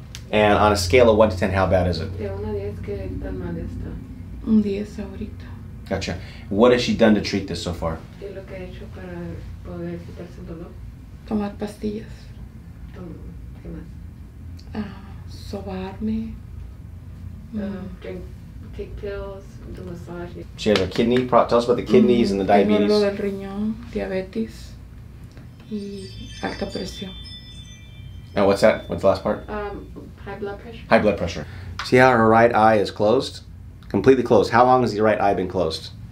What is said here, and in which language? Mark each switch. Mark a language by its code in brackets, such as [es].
[en] And on a scale of 1 to 10, how bad is it? [es] De 1 a 10, que tan mal está. Un 10 ahorita. [en] Gotcha. What has she done to treat this so far? [es] ¿Qué es lo que ha hecho para poder quitarse el dolor? Tomar pastillas. ¿Qué más? Sobarme. [en] Take pills, do massage. She has a kidney problem. Tell us about the kidneys and the diabetes. [es] Tengo dolor del riñón, diabetes, y alta presión. [en] Now what's that? What's the last part? High blood pressure. High blood pressure. See how her right eye is closed? Completely closed. How long has your right eye been closed?